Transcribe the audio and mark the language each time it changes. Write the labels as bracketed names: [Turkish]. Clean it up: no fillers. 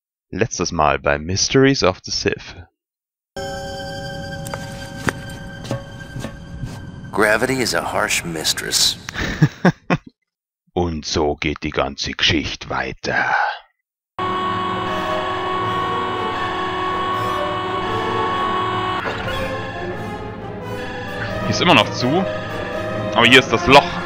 [German] Letztes Mal bei Mysteries of the Sith. [English] Gravity is a harsh mistress. [German] Und so geht die ganze Geschichte weiter. Hier ist immer noch zu, aber hier ist das Loch.